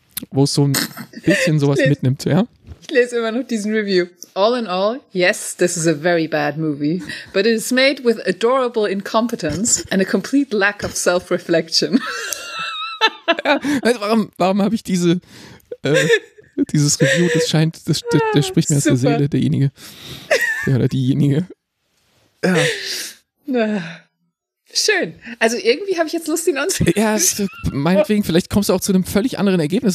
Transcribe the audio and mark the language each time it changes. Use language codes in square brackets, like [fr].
[de] Wo es so ein bisschen sowas mitnimmt, ja? Ich lese immer noch diesen Review. [en] All in all, yes, this is a very bad movie, but it is made with adorable incompetence and a complete lack of self-reflection. [de] Ja, also warum habe ich dieses Review? Das scheint, das spricht mir aus der Seele, derjenige. Ja, oder diejenige. Ja. Schön. Also irgendwie habe ich jetzt Lust, ihn anzusehen. Ja, meinetwegen, vielleicht kommst du auch zu einem völlig anderen Ergebnis.